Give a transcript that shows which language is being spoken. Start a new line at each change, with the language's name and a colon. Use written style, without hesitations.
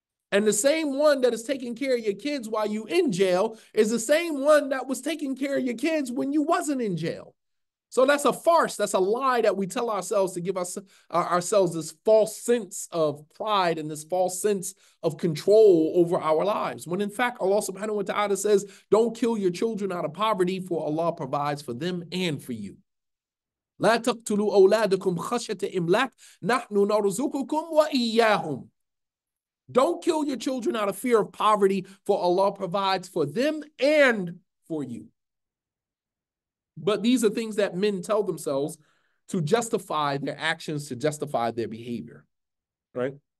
English: And the same one that is taking care of your kids while you in jail is the same one that was taking care of your kids when you wasn't in jail. So that's a farce. That's a lie that we tell ourselves to give ourselves this false sense of pride and this false sense of control over our lives. When in fact, Allah subhanahu wa ta'ala says, don't kill your children out of poverty, for Allah provides for them and for you.
Arabic: لا تقتلوا أولادكم خشية إملاق نحن نرزقكم وإياهم.
English: Don't kill your children out of fear of poverty, for Allah provides for them and for you. But these are things that men tell themselves to justify their actions, to justify their behavior, right?